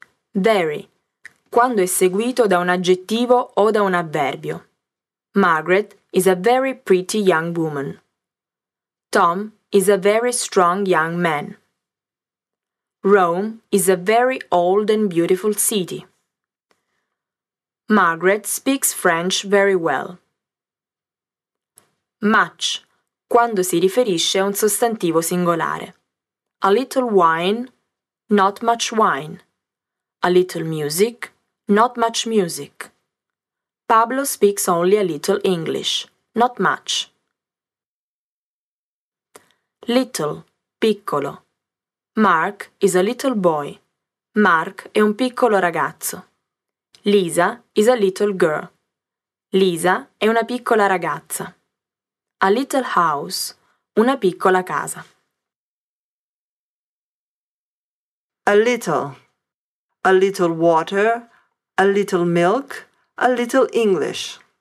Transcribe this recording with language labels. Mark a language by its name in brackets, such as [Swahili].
[Italian] Very, quando è seguito da un aggettivo o da un avverbio. [English] Margaret is a very pretty young woman. Tom is a very strong young man. Rome is a very old and beautiful city. Margaret speaks French very well. [Italian] Much, quando si riferisce a un sostantivo singolare. [English] A little wine, not much wine. A little music, not much music. Pablo speaks only a little English, not much. Little, piccolo. Mark is a little boy. [Italian] Mark è un piccolo ragazzo. [English] Lisa is a little girl. [Italian] Lisa è una piccola ragazza. [English] A little house, [Italian] una piccola casa. [English] A little water, a little milk, a little English.